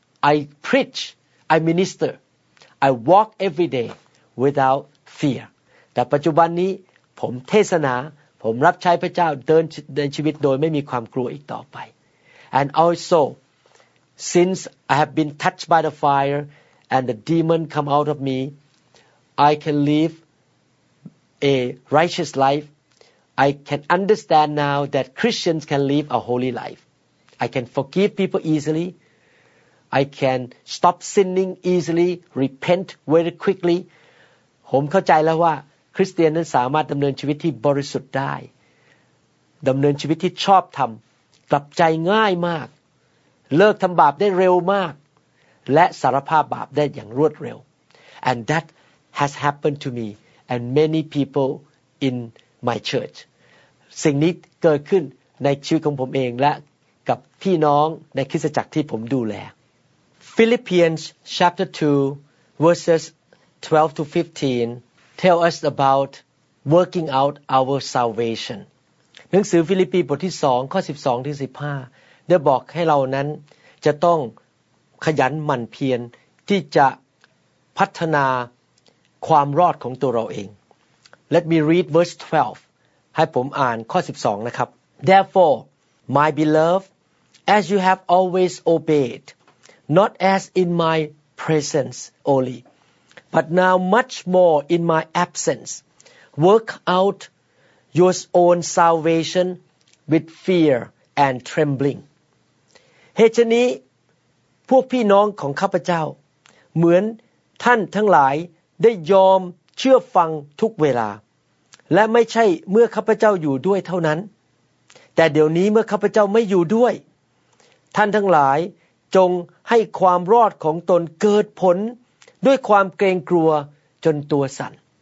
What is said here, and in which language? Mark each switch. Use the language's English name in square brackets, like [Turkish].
[English] I preach I minister I walk every day without fear [Thai] แต่ปัจจุบันนี้ผมเทศนาผมรับใช้พระเจ้าเดินชีวิตโดยไม่มีความกลัวอีกต่อไป [English] And also since I have been touched by the fire and the demon come out of me I can live a righteous lifeI can understand now that Christians can live a holy life. I can forgive people easily. I can stop sinning easily, repent very quickly. [Thai] ผมเข้าใจแล้วว่าคริสเตียนนั้นสามารถดำเนินชีวิตที่บริสุทธิ์ได้ดำเนินชีวิตที่ชอบธรรมกลับใจง่ายมากเลิกทำบาปได้เร็วมากและสารภาพบาปได้อย่างรวดเร็ว [English] And that has happened to me and many people inMy church. [Thai] สิ่งนี้เกิดขึ้นในชีวิตของผมเองและกับพี่น้องในคริสตจักรที่ผมดูแล [English] Philippians chapter 2 verses 12 to 15 tell us about working out our salvation. [Thai] หนังสือฟิลิปปีบทที่2ข้อ12ถึง15ได้บอกให้เรานั้นจะต้องขยันหมั่นเพียรที่จะพัฒนาความรอดของตัวเราเอง [English] Let me read verse 12. [Thai] ให้ผมอ่านข้อ12นะครับ [English] Therefore, my beloved, as you have always obeyed, not as in my presence only, but now much more in my absence, work out your own salvation with fear and trembling. [Thai] เหตุนี้พวกพี่น้องของข้าพเจ้าเหมือนท่านทั้งหลายได้ยอมเชื่อฟังทุกเวลาและไม่ใช่เมื่อข้าพเจ้าอยู่ด้วยเท่านั้นแต่เดี๋ยวนี้เมื่อข้าพเจ้าไม่อยู่ด้วยท่านทั้งหลายจงให้ความรอดของตนเกิดผลด้วยความเกรงกลัวจนตัวสั่น